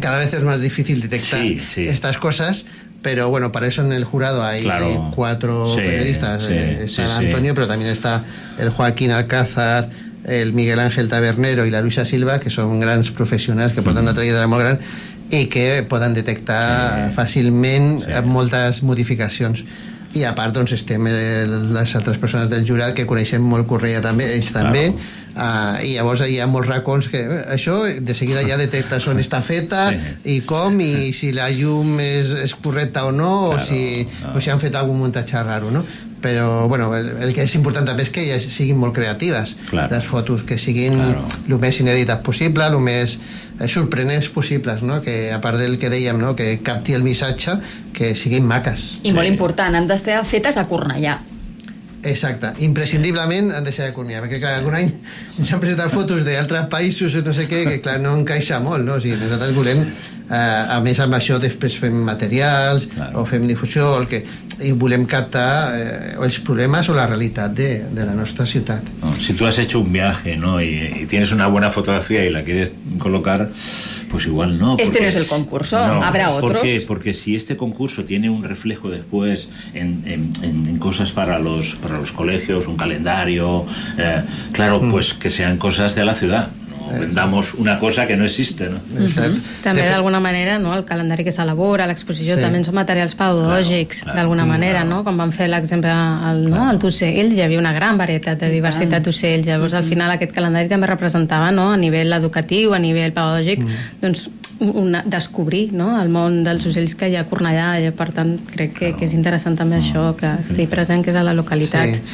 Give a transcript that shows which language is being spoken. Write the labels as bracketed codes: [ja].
[es] Cada vez es más difícil detectar estas cosas. Pero bueno, para eso en el jurado hay cuatro periodistas. Antonio, pero también está el Joaquín Alcázar, el Miguel Ángel Tabernero y la Luisa Silva, que son grandes profesionales, que portan una trayectoria molt gran y que [ca] poden detectar fàcilment moltes modificacions. I a part, doncs, estem les altres persones del jurat, que coneixem molt Correia també, ells també. I llavors hi ha molts racons que això de seguida ja detectes on està feta i com, i si la llum és correcta o no, o si han fet algun muntatge raro, no? Però, bueno, el que és important també és que ja siguin molt creatives les fotos, que siguin el més inèdites possible, el més sorprenents possibles, no? Que a part del que dèiem, no? Que capti el missatge, que siguin maques. I molt important, han d'estar fetes a Cornellà. Exacte, imprescindiblement han de ser a Cornellà, perquè clar, algun any s'han presentat fotos d'altres països o no sé què, que clar, no encaixa molt, no? O sigui, nosaltres volem, a més amb això després fem materials o fem difusió, el que, i volem captar els problemes o la realitat de la nostra ciutat. [es] Si tu has hecho un viaje, ¿no?, y tienes una buena fotografía y la quieres colocar, pues igual no. Este no es el concurso, no, habrá otros. ¿Por qué? Porque si este concurso tiene un reflejo después en cosas para los colegios, un calendario, pues que sean cosas de la ciudad. Vendamos una cosa que no existe, ¿no? [ca] També d'alguna manera, no, el calendari que s'elabora, l'exposició també són materials pedagògics d'alguna manera, no? Com van fer l'exemple al d'ocells, hi havia una gran varietat de diversitat d'ocells, llavors al final aquest calendari també representava, no, a nivell educatiu, a nivell pedagògic, doncs descobrir, no, el món dels ocells que hi ha a Cornellà, i per tant crec que és interessant també això, que estigui present, que és a la localitat.